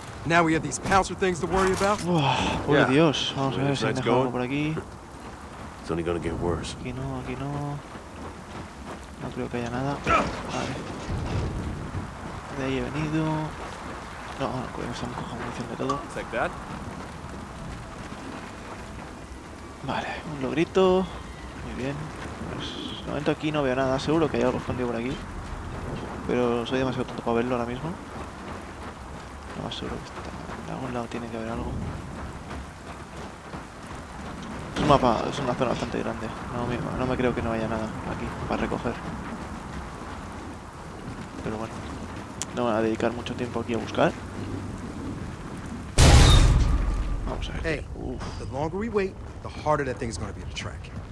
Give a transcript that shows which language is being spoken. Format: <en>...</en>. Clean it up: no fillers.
<en>Now we have these pouncer things to worry about.</en> <es>Uy, Dios, vamos a ver si hay algo por aquí.</es> <en>It's only gonna get worse.</en> <es>Aquí no, aquí no. No creo que haya nada. Vale. De ahí he venido. No, no, cuidado, se me coja munición de todo. Vale, un logrito. Muy bien. Pues, de momento aquí no veo nada. Seguro que hay algo escondido por aquí. Pero soy demasiado tonto para verlo ahora mismo. No, más seguro que está. De algún lado tiene que haber algo. Es un mapa, es una zona bastante grande. No me creo que no haya nada aquí para recoger. Pero bueno, no voy a dedicar mucho tiempo aquí a buscar. Vamos a ver.</es> <en>Hey, the longer we wait, the harder that thing's gonna be to track.</en>